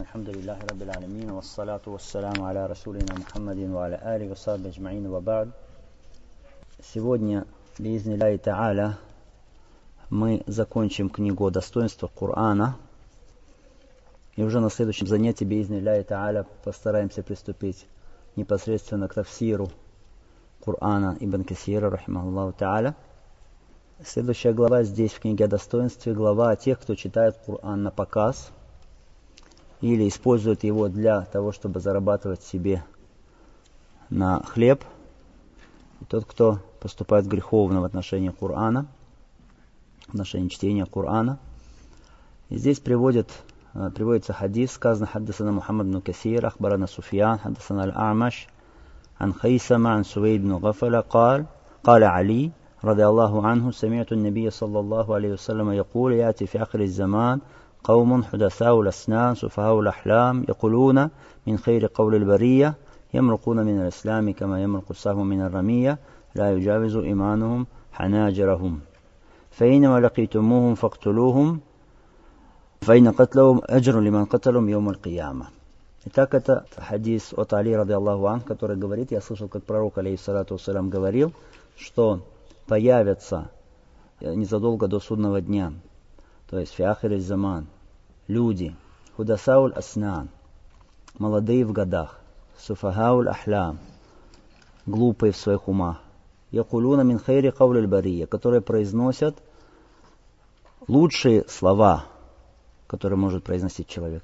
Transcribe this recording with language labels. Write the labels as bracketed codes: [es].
[ar] الحمد لله رب العالمين، والصلاة والسلام على رسولنا محمد وعلى آله وصحبه أجمعين، وبعد. [ru] Сегодня, [ar] بإذن الله تعالى, [ru] мы закончим книгу о достоинствах Корана. И уже на следующем занятии, [ar] بإذن الله تعالى, [ru] постараемся приступить непосредственно к тафсиру Корана Ибн Касира, [ar] رحمه الله تعالى. [ru] Следующая глава здесь, в книге о достоинстве, глава о тех, кто читает Коран на показ или использует его для того, чтобы зарабатывать себе на хлеб. Тот, кто поступает греховно в отношении Корана, в отношении чтения Корана. И здесь приводится хадис, сказано: [ar] «Хаддасана Мухаммад бин Касир, ахбарана Суфьян, хаддасана Аль-Амаш, ан Хайсама, ан Сувейд бин Гафаля, кала Али». رضي الله عنه سمعت النبي صلى الله عليه وسلم يقول يأتي في آخر الزمان قوم حدثاء الأسنان سفهاء الأحلام يقولون من خير قول البرية يمرقون من الإسلام كما يمرق السهم من الرمية لا يجاوز إيمانهم حناجرهم فإنما لقيتموهم فاقتلوهم فإن قتلهم أجر لمن قتلهم يوم القيامة. [ru] Итак, это хадис от Али [ar] رضي الله عنه, [ru] который говорит: я слышал, как пророк [ar] عليه الصلاة والسلام [ru] говорил, что появятся незадолго до судного дня, то есть [ar] фиахир из-заман, [ru] люди, [ar] худасауль аснан, [ru] молодые в годах, [ar] суфахауль ахлам, [ru] глупые в своих умах, [ar] якулуна мин хайри кавли аль-бария, [ru] которые произносят лучшие слова, которые может произнести человек.